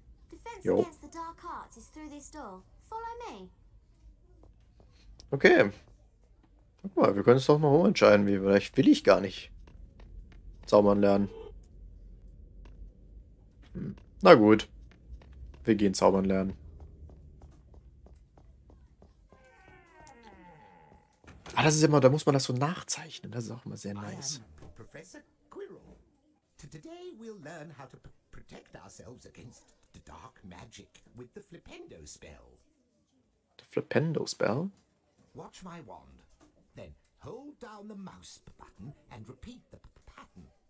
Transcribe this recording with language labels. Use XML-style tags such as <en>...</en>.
<en>Defense against the dark arts is through this door. Follow me. Okay.</en> <de>Guck mal, wir können es doch mal umentscheiden. Vielleicht will ich gar nicht zaubern lernen. Na gut. Wir gehen zaubern lernen. Ah, das ist immer, da muss man das so nachzeichnen. Das ist auch immer sehr nice.</de> <en>Professor Quirrell. Today we'll learn how to protect ourselves against the dark magic with the Flippendo spell. The Flippendo spell? Watch my wand. Then hold down the mouse button and repeat the pattern.</en>